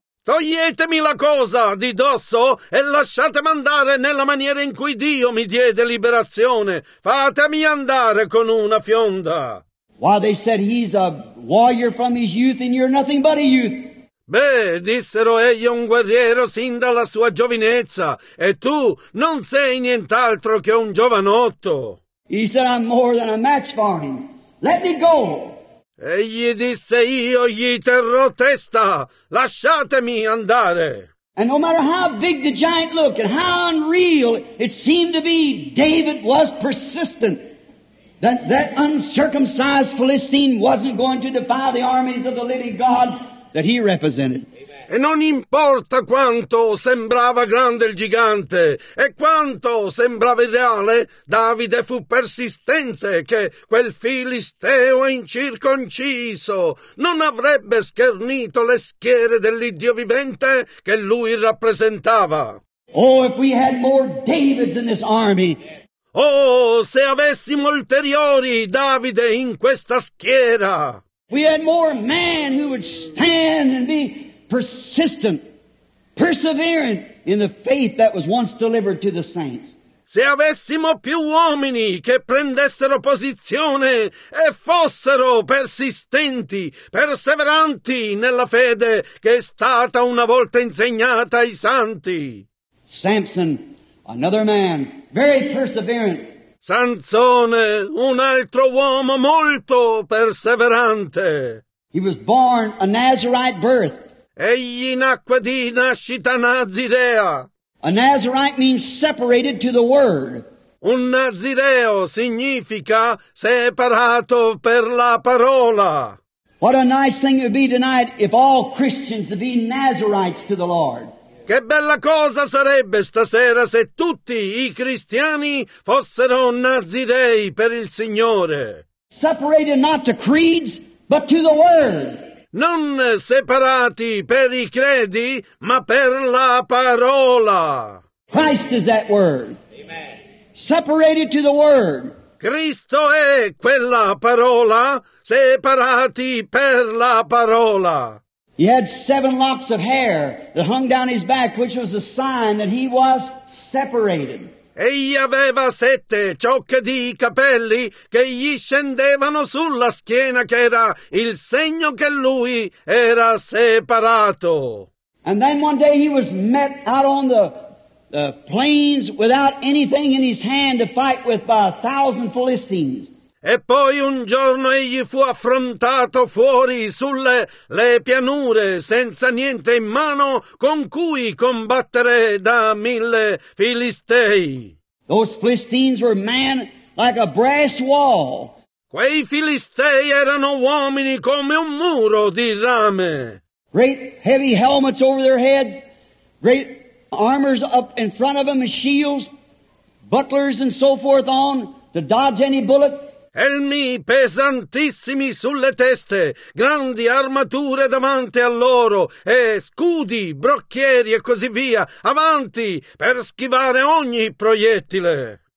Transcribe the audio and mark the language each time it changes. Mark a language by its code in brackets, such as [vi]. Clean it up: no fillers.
[it] Toglietemi la cosa di dosso e lasciatemi andare nella maniera in cui Dio mi diede liberazione. Fatemi andare con una fionda. [en] Why, they said, he's a warrior from his youth and you're nothing but a youth. [it] Beh, dissero, egli è un guerriero sin dalla sua giovinezza e tu non sei nient'altro che un giovanotto. [en] He said, I'm more than a match for him. Let me go. [it] Egli disse, io gli terrò testa, lasciatemi andare. [en] And no matter how big the giant looked and how unreal it seemed to be, David was persistent. That uncircumcised Philistine wasn't going to defy the armies of the living God that he represented. [it] E non importa quanto sembrava grande il gigante e quanto sembrava ideale, Davide fu persistente che quel filisteo incirconciso non avrebbe schernito le schiere dell'Iddio vivente che lui rappresentava. [en] Oh, if we had more Davids in this army. [it] Oh, se avessimo ulteriori Davide in questa schiera. [en] We had more men who would stand and be persistent, perseverant in the faith that was once delivered to the saints. [it] Se avessimo più uomini che prendessero posizione e fossero persistenti, perseveranti nella fede che è stata una volta insegnata ai santi. [en] Samson, another man, very perseverant. [it] Sansone, un altro uomo molto perseverante. [en] He was born a Nazarite birth. [it] Egli nacque di nascita nazirea. [en] A Nazarite means separated to the word. [it] Un nazireo significa separato per la parola. [en] What a nice thing it would be tonight if all Christians would be Nazarites to the Lord. [it] Che bella cosa sarebbe stasera se tutti i cristiani fossero nazirei per il Signore. [en] Separated not to creeds, but to the word. [it] Non separati per i credi, ma per la parola. [en] Christ is that word. Amen. Separated to the word. [it] Cristo è quella parola, separati per la parola. [en] He had seven locks of hair that hung down his back, which was a sign that he was separated. [it] Egli aveva sette ciocche di capelli che gli scendevano sulla schiena, che era il segno che lui era separato. [en] And then one day he was met out on the plains without anything in his hand to fight with by a thousand Philistines. [it] E poi un giorno egli fu affrontato fuori sulle le pianure senza niente in mano con cui combattere da mille filistei. [en] Those Philistines were men like a brass wall. [it] Quei filistei erano uomini come un muro di rame. [en] Great heavy helmets over their heads, great armors up in front of them, shields, bucklers and so forth on to dodge any bullet. [it] elmi pesantissimi sulle teste, grandi armature davanti a loro e scudi, brocchieri e così via, avanti per schivare ogni proiettile.